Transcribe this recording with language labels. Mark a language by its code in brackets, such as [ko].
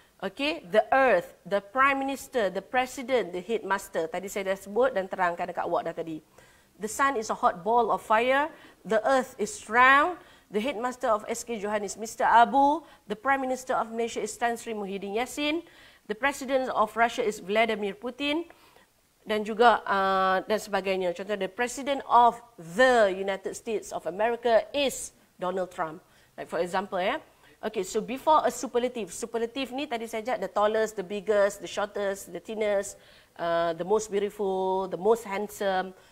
[en] Okay, the earth, the prime minister, the president, the headmaster. [ms] Tadi saya dah sebut dan terangkan dekat awak dah tadi. [en] The sun is a hot ball of fire. The earth is round. The headmaster of SK Johan is Mr. Abu. The prime minister of Malaysia is Tan Sri Muhyiddin Yassin. The president of Russia is Vladimir Putin. [ms] Dan juga dan sebagainya. [en] Contoh, the president of the United States of America is Donald Trump. Like for example, yeah. Okay, so before a superlative. Superlative [ms] ni tadi saya ajak, [en] the tallest, the biggest, the shortest, the thinnest, the most beautiful, the most handsome.